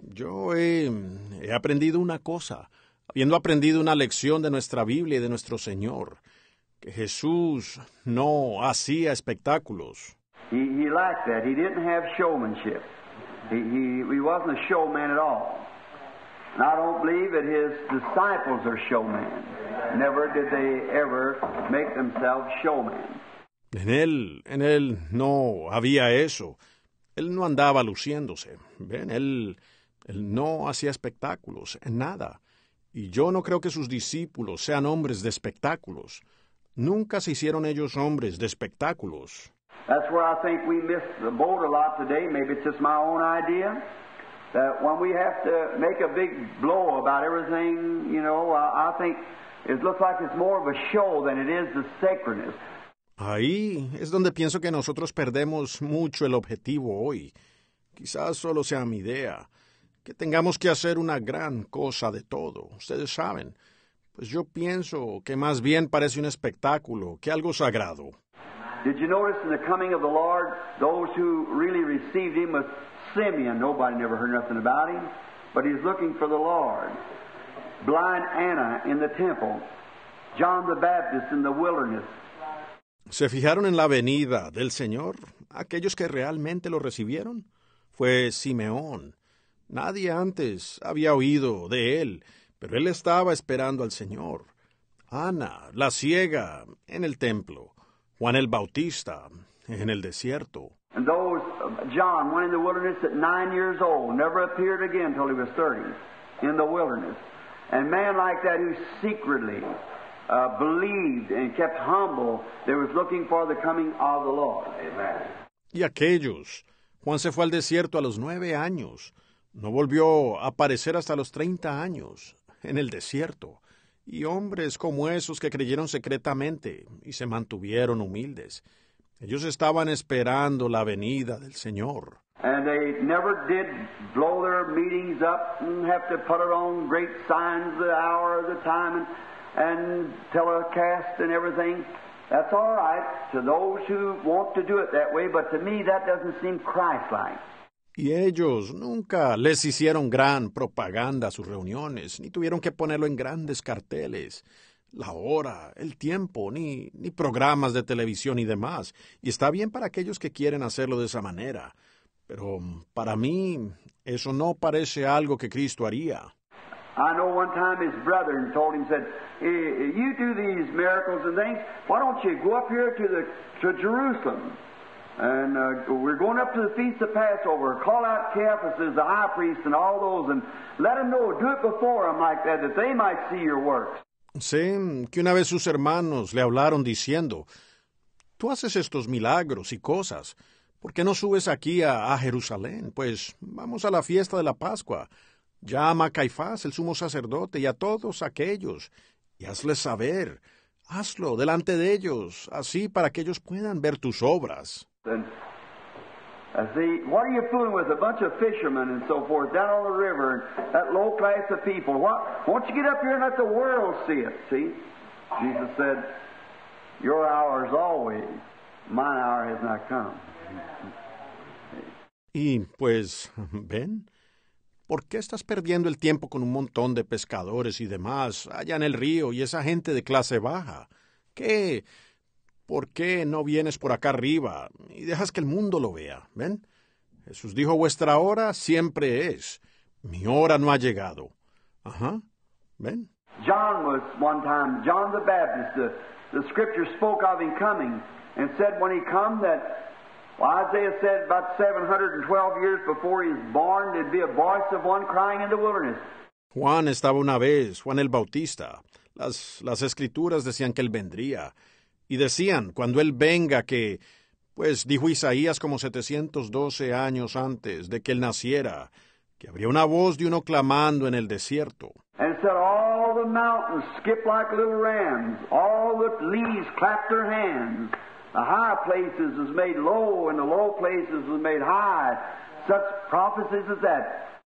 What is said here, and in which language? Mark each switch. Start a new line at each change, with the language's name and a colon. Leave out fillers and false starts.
Spanish: Yo he aprendido una cosa. Habiendo aprendido una lección de nuestra Biblia y de nuestro Señor, que Jesús no hacía espectáculos.
English: He liked that. He didn't have showmanship. He wasn't a showman at all. And I don't believe that his disciples are showmen. Never did they ever make themselves showmen.
Spanish: En él no había eso. Él no andaba luciéndose. Ven, él no hacía espectáculos en nada. Y yo no creo que sus discípulos sean hombres de espectáculos. Nunca se hicieron ellos hombres de espectáculos.
English: That's where I think we miss the boat a lot today. Maybe it's just my own idea. That when we have to make a big blow about everything, you know, I think it looks like it's more of a show than it is the sacredness.
Spanish: Ahí es donde pienso que nosotros perdemos mucho el objetivo hoy. Quizás solo sea mi idea. Que tengamos que hacer una gran cosa de todo, ustedes saben. Pues yo pienso que más bien parece un espectáculo que algo sagrado.
English: Did you notice in the coming of the Lord, those who really received him was Simeon. Nobody never heard nothing about him, but he's looking for the Lord. Blind Anna in the temple. John the Baptist in the wilderness.
Spanish: ¿Se fijaron en la venida del Señor? Aquellos que realmente lo recibieron fue Simeón. Nadie antes había oído de él, pero él estaba esperando al Señor. Ana, la ciega, en el templo. Juan el Bautista, en el desierto.
English: And those, John went in the wilderness at 9 years old, never appeared again until he was 30, in the wilderness. And man like that who secretly believed and kept humble, they was looking for the coming of the Lord. Amen.
Spanish: Y aquellos, Juan se fue al desierto a los 9 años. No volvió a aparecer hasta los 30 años, en el desierto. Y hombres como esos que creyeron secretamente y se mantuvieron humildes. Ellos estaban esperando la venida del Señor.
English: And they never did blow their meetings up and have to put it on great signs the hour of the time and telecast and everything. That's all right to those who want to do it that way, but to me that doesn't seem Christ-like.
Spanish: Y ellos nunca les hicieron gran propaganda a sus reuniones, ni tuvieron que ponerlo en grandes carteles. La hora, el tiempo, ni programas de televisión y demás. Y está bien para aquellos que quieren hacerlo de esa manera. Pero para mí, eso no parece algo que Cristo haría.
English: I know one time his brother told him, said, you do these miracles and things, why don't you go up here to Jerusalem? And we're going up to the Feast of Passover. Call out Caiaphas, the high priest, and all those, and let them know, do it before them like that, that they might see your works.
Spanish: Sí, que una vez sus hermanos le hablaron diciendo, tú haces estos milagros y cosas, ¿por qué no subes aquí a Jerusalén? Pues vamos a la fiesta de la Pascua. Llama a Caifás, el sumo sacerdote, y a todos aquellos, y hazles saber. Hazlo delante de ellos, así para que ellos puedan ver tus obras.
English: And see, what are you fooling with? A bunch of fishermen and so forth down on the river, and that low class of people. Why don't you get up here and let the world see it? See? Jesus said, your hour is always, my hour has not come.
Spanish: Y pues, ven, ¿Por qué estás perdiendo el tiempo con un montón de pescadores y demás allá en el río y esa gente de clase baja? ¿Qué? ¿Por qué no vienes por acá arriba y dejas que el mundo lo vea? ¿Ven? Jesús dijo, vuestra hora siempre es. Mi hora no ha llegado. Ajá. ¿Ven?
English: John was one time, John the Baptist, the scripture spoke of him coming and said when he come that, well, Isaiah said about 712 years before he was born, there'd be a voice of one crying in the wilderness.
Spanish: Juan estaba una vez, Juan el Bautista. Las escrituras decían que él vendría. Y decían, cuando él venga, que, pues, dijo Isaías como 712 años antes de que él naciera, que habría una voz de uno clamando en el desierto.
English: And said, all the mountains skip like little rams, all the leaves clap their hands, the high places was made low, and the low places was made high. Such prophecies as that.